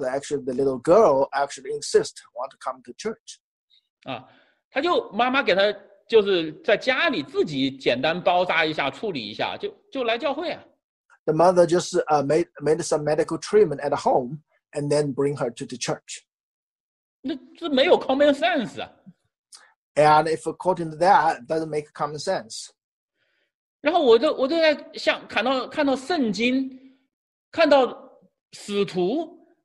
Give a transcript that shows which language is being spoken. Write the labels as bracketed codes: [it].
[en] But the little girl actually insists, want to come to church. [zh] 她就妈妈给她就是在家里自己简单包扎一下，处理一下，就来教会啊。 [en] The mother just made some medical treatment at home and then bring her to the church. [zh] 那这没有 [en] common sense [zh] 啊。 [en] And if according to that, doesn't make common sense. [zh] 然后我就在想，看到圣经，看到使徒，